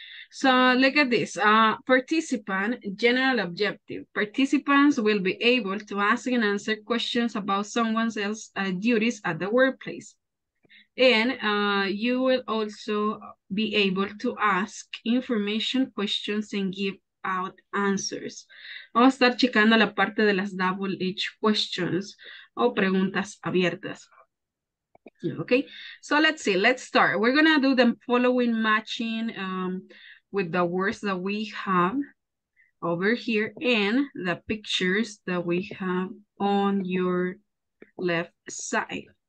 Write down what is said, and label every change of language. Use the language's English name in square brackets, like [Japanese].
[English] So look at this, participant, general objective. Participants will be able to ask and answer questions about someone else's duties at the workplace. And you will also be able to ask information questions and give out answers. [Spanish] Vamos a estar checando la parte de las [English] double H questions [Spanish] o preguntas abiertas. [English] Okay, so let's see, let's start. We're gonna do the following matching with the words that we have over here and the pictures that we have on your left side.